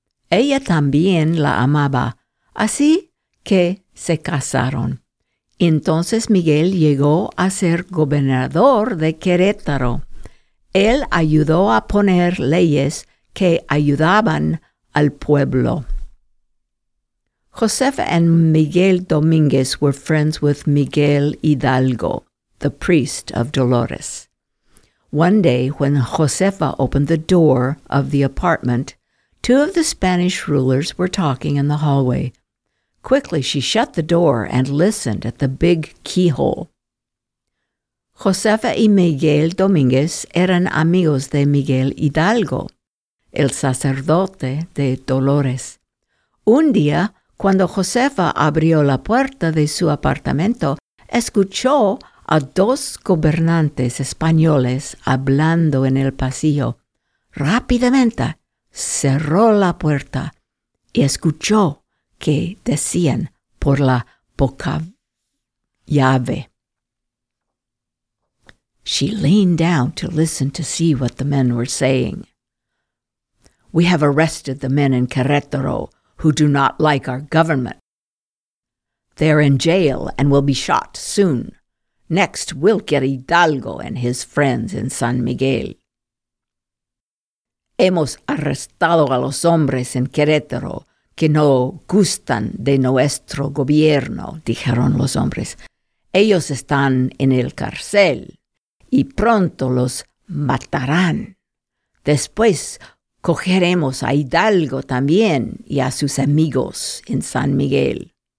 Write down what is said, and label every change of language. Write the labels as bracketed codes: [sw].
[es] Ella también la amaba, así que se casaron. Entonces Miguel llegó a ser gobernador de Querétaro. Él ayudó a poner leyes que ayudaban al pueblo. [en] Josefa and Miguel Domínguez were friends with Miguel Hidalgo, the priest of Dolores. One day, when Josefa opened the door of the apartment, two of the Spanish rulers were talking in the hallway. Quickly, she shut the door and listened at the big keyhole. [es] Josefa y Miguel Domínguez eran amigos de Miguel Hidalgo, el sacerdote de Dolores. Un día, cuando Josefa abrió la puerta de su apartamento, escuchó a dos gobernantes españoles hablando en el pasillo. Rápidamente cerró la puerta y escuchó que decían por la poca llave. [en] She leaned down to listen to see what the men were saying. "We have arrested the men in Querétaro who do not like our government. They're in jail and will be shot soon. Next, we'll get Hidalgo and his friends in San Miguel. [es] Hemos arrestado a los hombres en Querétaro que no gustan de nuestro gobierno," dijeron los hombres. "Ellos están en el cárcel y pronto los matarán. Después, cogeremos a Hidalgo también y a sus amigos en San Miguel."